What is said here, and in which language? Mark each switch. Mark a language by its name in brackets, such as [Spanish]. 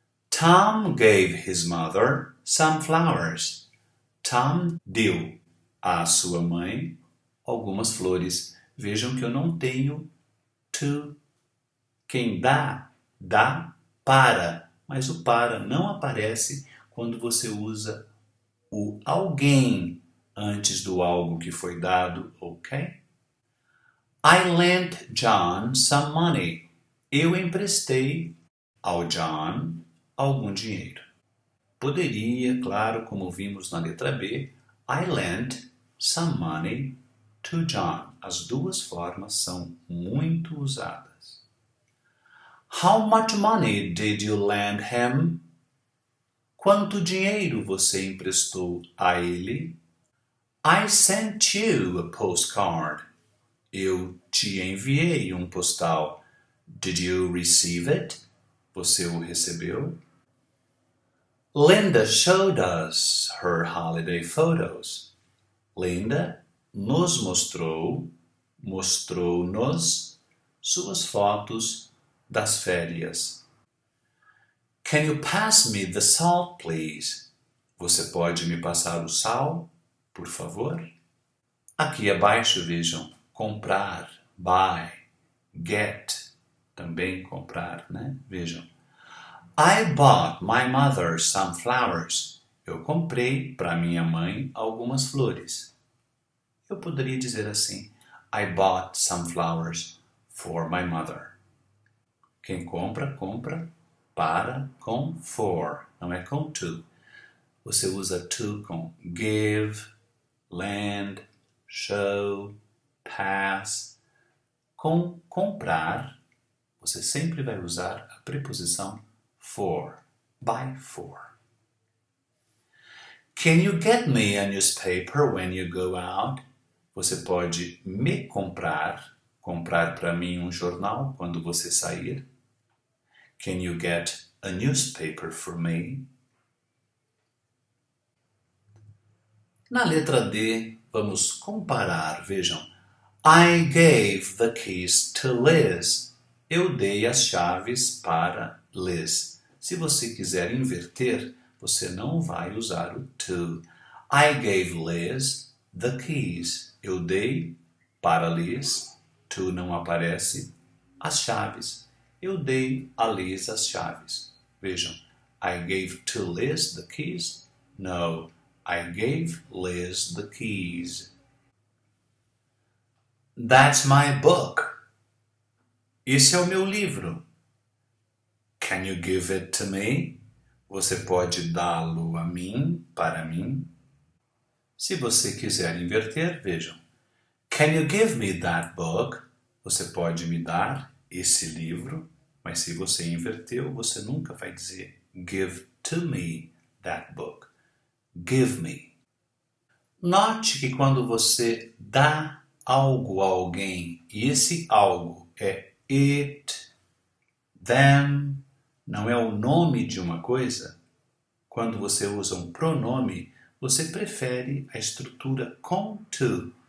[English] Tom gave his mother some flowers. [Portuguese] Tom deu à sua mãe algumas flores. Vejam que eu não tenho to. Quem dá, dá para. Mas o para não aparece quando você usa o alguém antes do algo que foi dado, ok? [English] I lent John some money. [Portuguese] Eu emprestei ao John algum dinheiro. Poderia, claro, como vimos na letra B, [English] I lent some money to John. [Portuguese] As duas formas são muito usadas. How much money did you lend him? Quanto dinheiro você emprestou a ele? [English] I sent you a postcard. [Portuguese] Eu te enviei um postal. [English] Did you receive it? [Portuguese] Você o recebeu? [English] Linda showed us her holiday photos. [Portuguese] Linda nos mostrou, mostrou-nos suas fotos das férias. [English] Can you pass me the salt, please? [Portuguese] Você pode me passar o sal, por favor? Aqui abaixo, vejam, comprar, buy, get, também comprar, né? Vejam. [English] I bought my mother some flowers. [Portuguese] Eu comprei para minha mãe algumas flores. Eu poderia dizer assim, [English] I bought some flowers for my mother. [Portuguese] Quem compra, compra para com for, não é com to. Você usa to com give, lend, show, pass. Com comprar, você sempre vai usar a preposição for, by for. [English] Can you get me a newspaper when you go out? [Portuguese] Você pode me comprar, comprar para mim um jornal quando você sair? [English] Can you get a newspaper for me? [Portuguese] Na letra D, vamos comparar, vejam. [English] I gave the keys to Liz. [Portuguese] Eu dei as chaves para Liz. Se você quiser inverter, você não vai usar o to. [English] I gave Liz the keys. [Portuguese] Eu dei para Liz, to não aparece, as chaves. Eu dei a Liz as chaves. Vejam, [English] I gave to Liz the keys. No, I gave Liz the keys. That's my book. [Portuguese] Esse é o meu livro. [English] Can you give it to me? [Portuguese] Você pode dá-lo a mim, para mim? Se você quiser inverter, vejam. [English] Can you give me that book? [Portuguese] Você pode me dar esse livro. Mas se você inverteu, você nunca vai dizer [English] give to me that book. Give me. [Portuguese] Note que quando você dá algo a alguém, e esse algo é it, them, não é o nome de uma coisa, quando você usa um pronome, você prefere a estrutura com to.